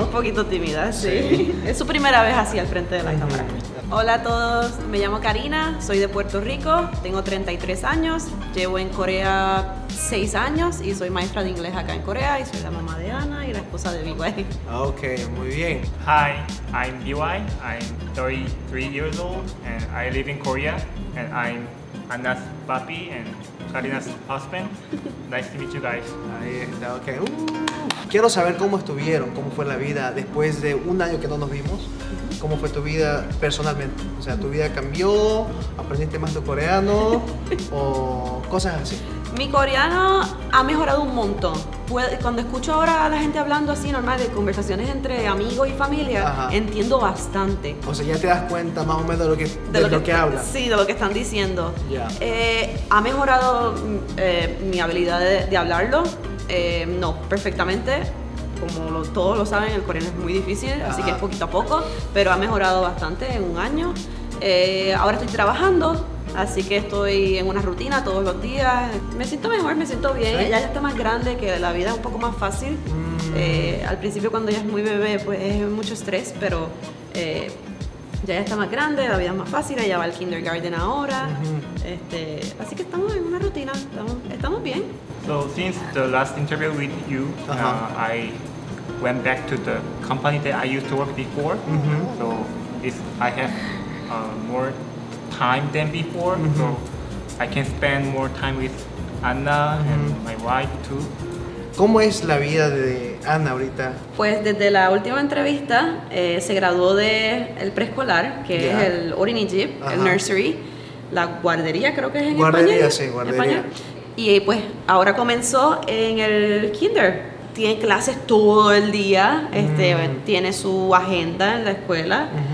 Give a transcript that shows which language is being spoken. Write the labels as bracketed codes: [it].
[es] Sí, un poquito tímida, sí. Sí. Es su primera vez así al frente de la cámara. Hola a todos, me llamo Karina, soy de Puerto Rico, tengo 33 años, llevo en Corea 6 años y soy maestra de inglés acá en Corea y soy la mamá de Ana y la esposa de BY. Ok, muy bien. [en] Hi, I'm BY, I'm 33 years old and I live in Korea and I'm Ana's papi and Karina's husband. Nice to meet you guys. [es] Ahí está, ok. Quiero saber cómo estuvieron, cómo fue la vida después de un año que no nos vimos. ¿Cómo fue tu vida personalmente? O sea, ¿tu vida cambió? ¿Aprendiste más tu coreano? ¿O cosas así? Mi coreano ha mejorado un montón. Cuando escucho ahora a la gente hablando así normal de conversaciones entre amigos y familia, entiendo bastante. O sea, ya te das cuenta más o menos de lo que hablan. Sí, de lo que están diciendo. [en] Yeah. [es] Ha mejorado mi habilidad de hablarlo. No, perfectamente. Como todos lo saben, el coreano es muy difícil, así que es poquito a poco, pero ha mejorado bastante en un año. Ahora estoy trabajando, así que estoy en una rutina todos los días. Me siento mejor, me siento bien. ¿Sí? Ella ya está más grande, que la vida es un poco más fácil. Al principio, cuando ella es muy bebé, pues es mucho estrés, pero ya está más grande, la vida es más fácil. Ella va al kindergarten ahora. Así que estamos en una rutina, estamos bien. [en] So since the last interview with you, I went back to the company that I used to work before. Mm-hmm. So I have more time than before. Mm-hmm. So I can spend more time with Anna and my wife too. [es] ¿Cómo es la vida de Anna ahorita? Pues desde la última entrevista se graduó del preescolar, que es el Orinijip, el nursery, la guardería creo que es en guardería, español. Sí, guardería. Español. Y pues ahora comenzó en el kinder. Tiene clases todo el día. Tiene su agenda en la escuela.